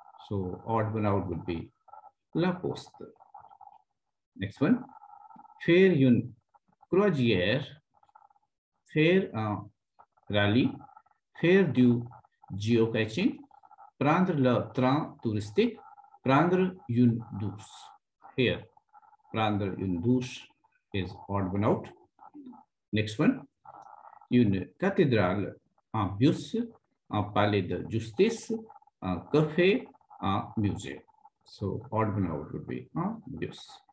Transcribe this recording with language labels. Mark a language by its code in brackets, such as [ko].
[en] So, odd one out would be la poste. Next one. [fr] Faire une croisière, faire un rallye, faire du geocaching, prendre le train touristique, prendre une douche. [en] Here, [fr] prendre une douche [en] is odd one out. Next one. [fr] Une cathédrale, un bus, un palais de justice, un café, un musée. [en] So, odd one out would be un bus.